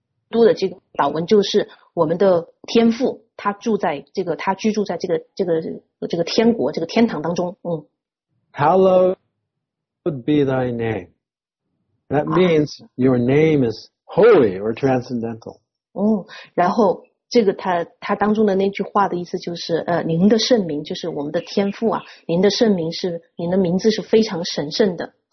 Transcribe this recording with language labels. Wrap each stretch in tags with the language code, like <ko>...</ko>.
<zh>督的这个祷文就是我们的天父。他居住在这个天国这个天堂当中，嗯。</zh> <en>Hallowed be thy name. That means your name is holy or transcendental.</en> <zh>然后这个他当中的那句话的意思就是，您的圣名就是我们的天父啊，您的圣名是您的名字是非常神圣的。</zh>